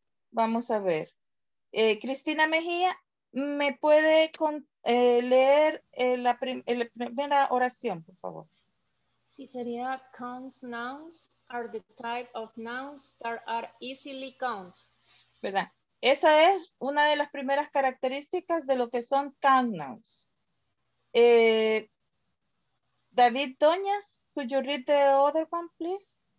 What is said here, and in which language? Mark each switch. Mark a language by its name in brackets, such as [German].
[Spanish] Vamos a ver. Cristina Mejía, ¿me puede leer la primera oración, por favor? Sí, sería [English] counts nouns are the type of nouns that are easily count. [Spanish] ¿Verdad? Esa es una de las primeras características de lo que son count nouns. [English] David Doñas, could you read the other one, please?